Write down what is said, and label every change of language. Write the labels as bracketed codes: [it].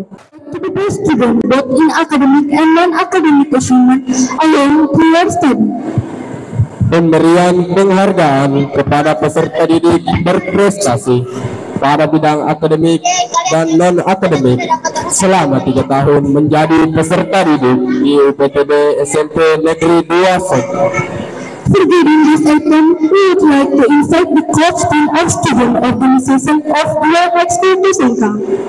[en] To the best student, both in academic and non-academic achievement, along with your study. [id] Pemberian penghargaan kepada peserta didik berprestasi pada bidang akademik dan non-akademik selama 3 tahun menjadi peserta didik di UPTB SMP Negeri 2 Singkang. [en] For giving this item, we would like to invite the coach team of student organization of UHSD di Singkang.